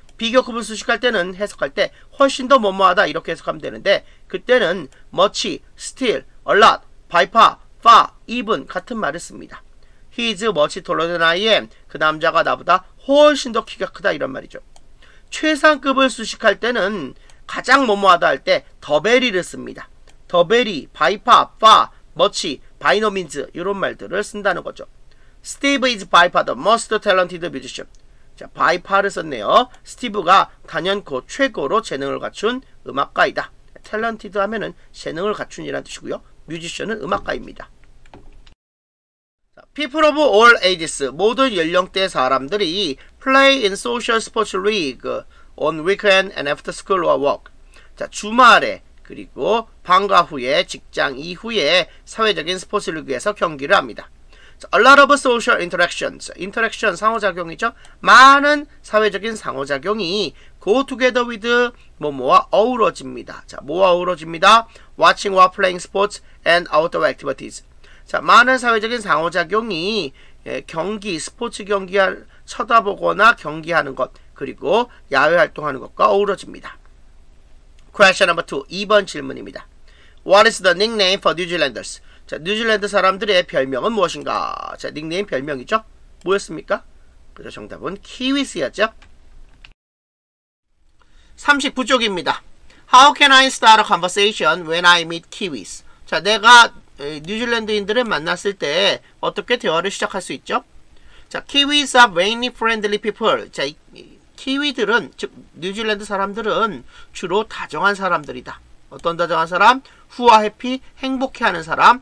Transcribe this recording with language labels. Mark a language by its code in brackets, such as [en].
[ko] 비교급을 수식할 때는 해석할 때 훨씬 더 뭐뭐하다 이렇게 해석하면 되는데 그때는 [en] much, still, a lot, by far, far, even [ko] 같은 말을 씁니다. [en] He is much taller than I am. [ko] 그 남자가 나보다 훨씬 더 키가 크다 이런 말이죠. 최상급을 수식할 때는 가장 뭐뭐하다 할 때 더베리를 씁니다. 더베리, 바이파, 파, 머치, 바이노민즈 이런 말들을 쓴다는 거죠. [en] Steve is by far the most talented musician. [ko] 자, 바이파를 썼네요. 스티브가 단연코 최고로 재능을 갖춘 음악가이다. 탤런티드 하면은 재능을 갖춘이란 뜻이고요. 뮤지션은 음악가입니다. [en] People of all ages, [ko] 모든 연령대 사람들이 [en] play in social sports league on weekend and after school or work. [ko] 자, 주말에 그리고 방과 후에 직장 이후에 사회적인 스포츠 리그에서 경기를 합니다. [en] A lot of social interactions. Interaction, [ko] 상호작용이죠. 많은 사회적인 상호작용이 [en] go together with [ko] 뭐뭐와 어우러집니다. 자, 뭐와 어우러집니다. [en] Watching while playing sports and outdoor activities. [ko] 자, 많은 사회적인 상호작용이 경기, 스포츠 경기를 쳐다보거나 경기하는 것, 그리고 야외 활동하는 것과 어우러집니다. [en] Question number 2. [ko] 2번 질문입니다. [en] What is the nickname for New Zealanders? [ko] 자, 뉴질랜드 사람들의 별명은 무엇인가? 자, 닉네임 별명이죠? 뭐였습니까? 그래서 정답은 키위스였죠? 39쪽입니다. [en] How can I start a conversation when I meet Kiwis? [ko] 자, 내가 뉴질랜드인들을 만났을 때 어떻게 대화를 시작할 수 있죠? [en] 자, Kiwis are very friendly people. [ko] 자, 키위들은, 즉, 뉴질랜드 사람들은 주로 다정한 사람들이다. 어떤 다정한 사람? [en] Who are happy? [ko] 행복해하는 사람.